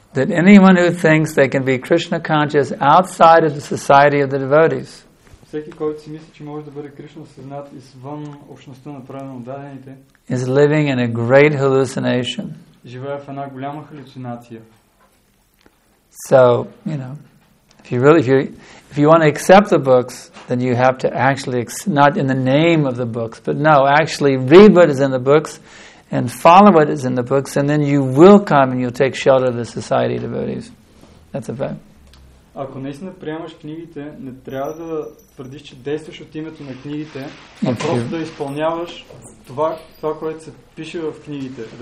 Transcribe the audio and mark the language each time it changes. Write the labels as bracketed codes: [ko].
[en] That anyone who thinks they can be Krishna conscious outside of the society of the devotees. [bg] Всеки, който си мисли, че може да бъде Кришна съзнат извън общността на правилно дадените, [en] is living in a great hallucination. [bg] Живее в една голяма халюцинация. [en] So, you know, If you want to accept the books, then you have to actually not in the name of the books, but no, actually read what is in the books and follow what is in the books, and then you will come and you'll take shelter of the society of devotees. That's a fact. [bg] Ако наистина приемаш книгите, не трябва да твърдиш, че действаш от името на книгите, а просто да изпълняваш това, което се пише в книгите.